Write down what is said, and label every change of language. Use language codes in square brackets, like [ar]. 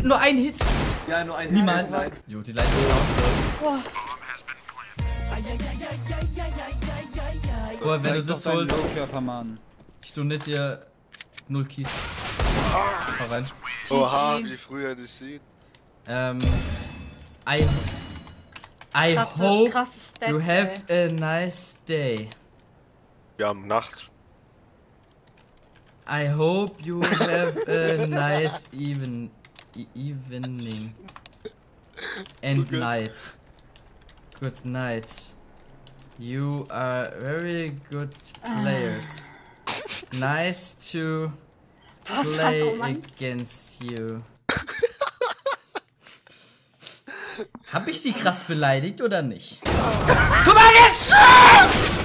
[de] Nur ein Hit. Ja, nur ein Hit. Niemals. Jo, die Leitung ist auch. Boah, wenn du das holst. Low-Körper, Mann. Ich donate dir 0 Keys. Hau rein. Oha, wie früher die sehen. [en] I hope you have a nice day. [de] Wir haben Nacht. [en] I hope you have a nice evening. And night. Good night. You are very good players. Nice to play against you. [de] Hab ich sie krass beleidigt oder nicht? Guck mal, der ist schlimm!